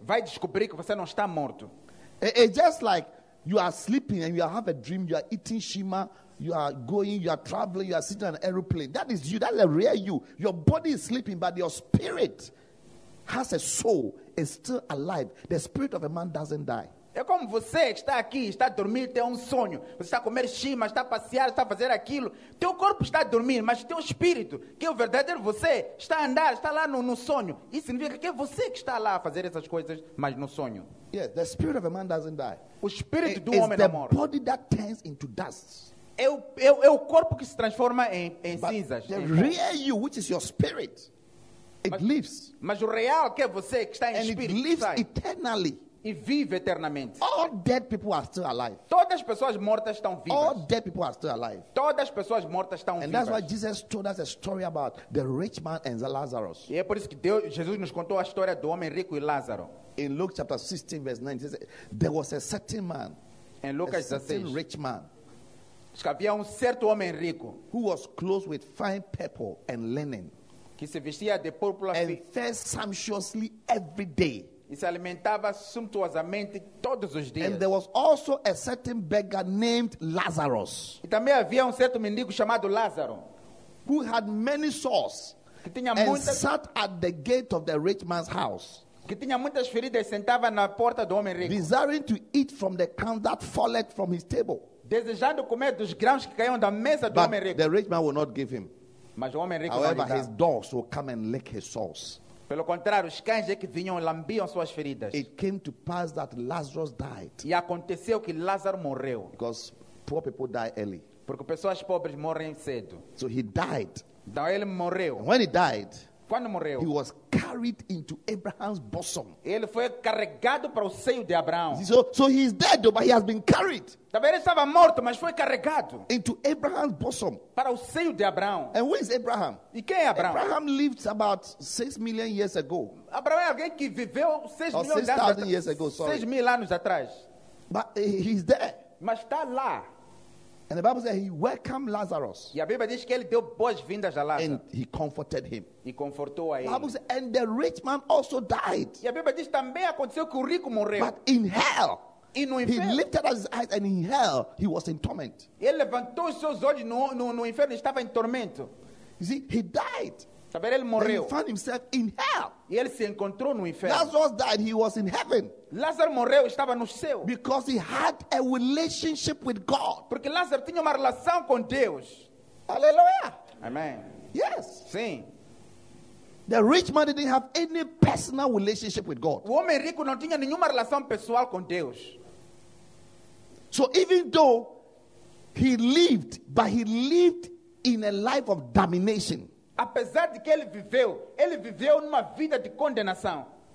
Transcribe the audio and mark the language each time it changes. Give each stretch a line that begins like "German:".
Portuguese: Vai descobrir que você não está morto.
English: It's just like you are sleeping and you have a dream. You are eating shima. You are going. You are traveling. You are sitting on an aeroplane. That is you. That's a real you. Your body is sleeping, but your spirit has a soul. Is still alive. The spirit of a man doesn't die.
Portuguese: É como você que está aqui, está a dormir, tem um sonho. Você está a comer shima, está a passear, está a fazer aquilo. Teu corpo está a dormir, mas teu espírito, que é o verdadeiro você, está a andar, está lá no sonho. Isso significa que é você que está lá a fazer essas coisas, mas no sonho.
English: Yes, the spirit of a man doesn't die.
Portuguese: O espírito do homem não morre.
English: The body that turns into dust.
Portuguese: É o corpo que se transforma em
English: but
Portuguese: cinzas.
English: The real you, which is your spirit, it lives.
Portuguese: Mas o real que é você que está em
English: and
Portuguese: espírito.
English: And it lives eternally.
Portuguese: E vive eternamente.
English: All dead people are still alive.
Portuguese: Todas as pessoas mortas estão vivas.
English: All dead people are still alive.
Portuguese: Todas as pessoas mortas estão
English: and
Portuguese: vivas.
English: And that's why Jesus told us a story about the rich man and the Lazarus.
Portuguese: E é por isso que Jesus nos contou a história do homem rico e Lázaro.
English: In Luke chapter 16 verse 9, he said, there was a certain man.
Portuguese: Em Lucas 16,
English: a certain rich man.
Portuguese: Havia certo homem rico.
English: Who was clothed with fine purple and linen.
Portuguese: Que se vestia de púrpura
English: e fed sumptuously every day.
Portuguese: E se alimentava sumptuosamente todos os dias.
English: And there was also a certain beggar named Lazarus.
Portuguese: E também havia certo mendigo chamado Lázaro.
English: Who had many sores.
Portuguese: Que tinha
English: and
Portuguese: muitas,
English: sat at the gate of the rich man's house.
Portuguese: Que tinha muitas feridas e sentava na porta do homem rico.
English: Desiring to eat from the crumbs that falleth from his table.
Portuguese: Desejando comer dos grãos que caíam da mesa do homem rico.
English: But the rich man will not give him.
Portuguese: Mas o homem rico however, não lhe dá.
English: His dogs will come and lick his sores.
Portuguese: Pelo contrário, os cães é que vinham e lambiam suas feridas.
English: It came to pass that Lazarus died.
Portuguese: E aconteceu que Lázaro morreu.
English: Because poor people die early.
Portuguese: Porque pessoas pobres morrem cedo.
English: So he died.
Portuguese: Então ele morreu.
English: And when he died,
Portuguese: quando morreu,
English: he was carried into Abraham's bosom.
Portuguese: Ele foi carregado para o seio de Abraão.
English: So he is dead, but he has been carried.
Portuguese: Talvez ele estava morto, mas foi carregado.
English: Into Abraham's bosom.
Portuguese: Para o seio de Abraão.
English: And where is Abraham?
Portuguese: E quem é Abraão?
English: Abraham lived about 6 million years ago.
Portuguese: Abraão é alguém que viveu 6
English: million years ago, sorry.
Portuguese: 6 mil anos atrás.
English: But he's there.
Portuguese: Mas está lá.
English: And the Bible says he welcomed Lazarus.
Portuguese: E a Bíblia diz que ele deu boas-vindas a Lázaro.
English: And he comforted him.
Portuguese: E confortou a ele.
English: The Bible says, and the rich man also died.
Portuguese: E a Bíblia diz também aconteceu que o rico morreu.
English: But in hell.
Portuguese: E no inferno.
English: He lifted his eyes and in hell he was in torment.
Portuguese: Ele levantou os seus olhos no inferno e estava em tormento.
English: You see, he died.
Portuguese: Saber ele morreu.
English: And he found himself in hell.
Portuguese: E ele se encontrou no inferno.
English: Lazarus died, he was in heaven.
Portuguese: Lázaro morreu, estava no céu.
English: Because he had a relationship with God.
Portuguese: Porque Lázaro tinha uma relação com Deus. Aleluia. Amen.
English: Yes.
Portuguese: Sim.
English: The rich man didn't have any personal relationship with God.
Portuguese: O homem rico não tinha nenhuma relação pessoal com Deus.
English: So even though he lived, but he lived in a life of domination.
Portuguese: Apesar de que ele viveu numa vida de condenação.